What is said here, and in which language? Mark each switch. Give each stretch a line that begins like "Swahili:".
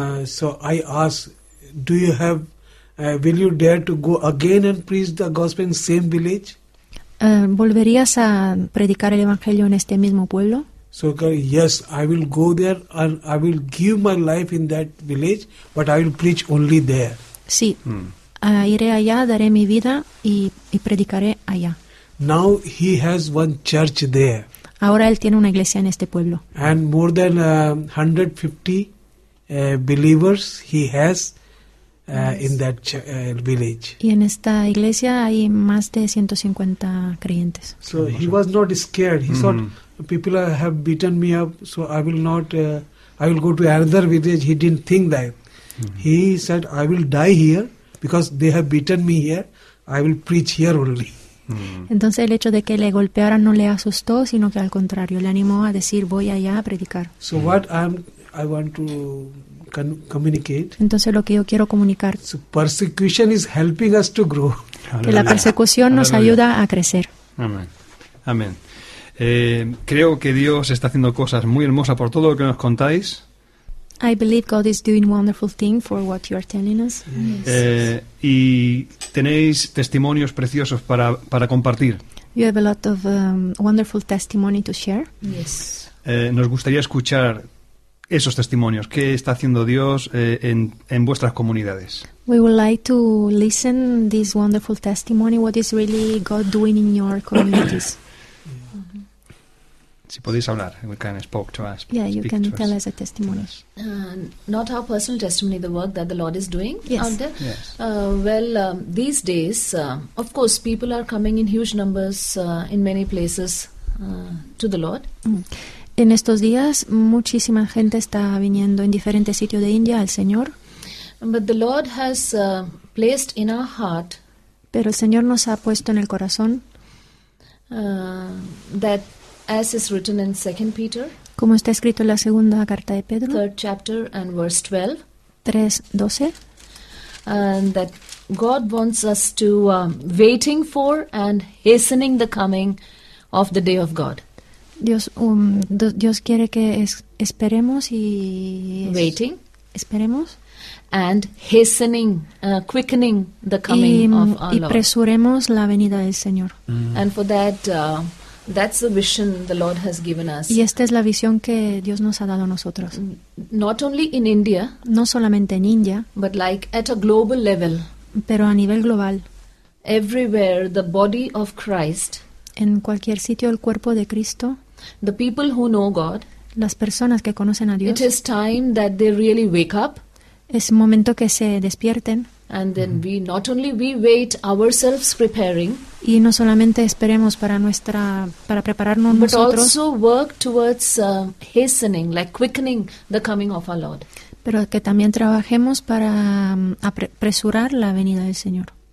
English: so I asked, do you have, will you dare to go again and preach the gospel in the same village?
Spanish: ¿Volverías a predicar el evangelio en este mismo pueblo?
English: So yes, I will go there and I will give my life in that village, but I will preach only there.
Spanish: Sí, iré allá, daré mi vida y predicaré allá.
English: Now he has one church there.
Spanish: Ahora él tiene una iglesia en este pueblo.
English: And more than 150 believers he has in that village.
Spanish: Y en esta iglesia hay más de 150 creyentes.
English: So he was not scared. He thought people have beaten me up, so I will not. I will go to another village. He didn't think that. He said, "I will die here because they have beaten me here. I will preach here only."
Spanish: Entonces el hecho de que le golpearan no le asustó, sino que al contrario le animó a decir, "Voy allá a predicar."
English: So what I want to communicate.
Spanish: Entonces lo que yo quiero comunicar.
English: So persecution is helping us to grow.
Spanish: Que la persecución nos ayuda a crecer. Amén. Amén. Creo que Dios está haciendo cosas muy hermosas por todo lo que nos contáis.
English: I believe God is doing wonderful things for what you are telling us.
Spanish: Y tenéis testimonios preciosos para compartir.
English: You have a lot of wonderful testimony to share. Yes.
Spanish: Nos gustaría escuchar esos testimonios. ¿Qué está haciendo Dios en vuestras comunidades?
English: We would like to listen this wonderful testimony. What is really God doing in your communities?
Spanish: Si podéis hablar,
English: we can speak to us. Yeah, you can tell us a testimony. Not our personal testimony, the work that the Lord is doing. Yes. Out there. Yes. Well, these days, of course, people are coming in huge numbers in many places to the Lord.
Spanish: En estos días, muchísima gente está viniendo en diferentes sitios de India al Señor.
English: But the Lord has placed in our heart.
Spanish: Pero el Señor nos ha puesto en el corazón.
English: That as is written in 2 Peter,
Spanish: como está escrito en la segunda carta de Pedro,
English: 3 chapter and verse 12, 3:12, and that God wants us to waiting for and hastening the coming of the day of God.
Spanish: Dios quiere que esperemos y
English: waiting,
Spanish: esperemos
English: and hastening, quickening the coming of our Lord.
Spanish: Y apresuremos la venida del Señor.
English: And for that. That's the vision the Lord has given us.
Spanish: Y esta es la visión que Dios nos ha dado a nosotros.
English: Not only in India,
Spanish: no solamente en India,
English: but like at a global level.
Spanish: Pero a nivel global.
English: Everywhere the body of Christ,
Spanish: en cualquier sitio el cuerpo de Cristo,
English: the people who know God,
Spanish: las personas que conocen a Dios.
English: It is time that they really wake up.
Spanish: Es momento que se despierten.
English: And then we not only we wait ourselves preparing,
Spanish: y no solamente esperemos para prepararnos
English: but
Spanish: nosotros,
English: also work towards hastening, like quickening the coming of our Lord.
Spanish: Pero que también trabajemos para apresurar la venida del Señor.